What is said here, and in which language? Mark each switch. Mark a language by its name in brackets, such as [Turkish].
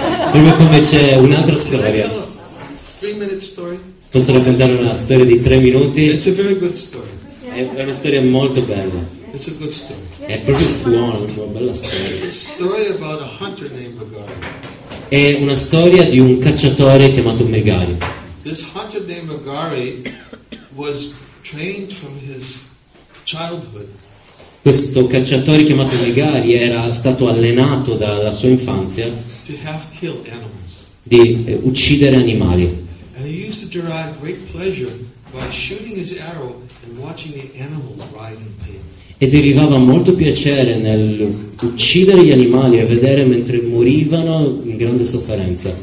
[Italian] Proprio come c'è un'altra storia. Posso raccontare una storia di 3 minuti? È una storia molto bella. [English] It's a good story. [Italian] È proprio buona, una bella storia. [English] It's a story about a hunter named Megari. [Italian] È una storia di un cacciatore chiamato Megari. [English] This hunter named Megari was trained from his childhood. [Italian] Questo cacciatore chiamato Megari era stato allenato dalla sua infanzia [English] to half kill animals. [Italian] Di uccidere animali. [English] And he used to derive great pleasure by shooting his arrow and watching the animal writhe in pain. [Italian] E derivava molto piacere nel uccidere gli animali e vedere mentre morivano in grande sofferenza.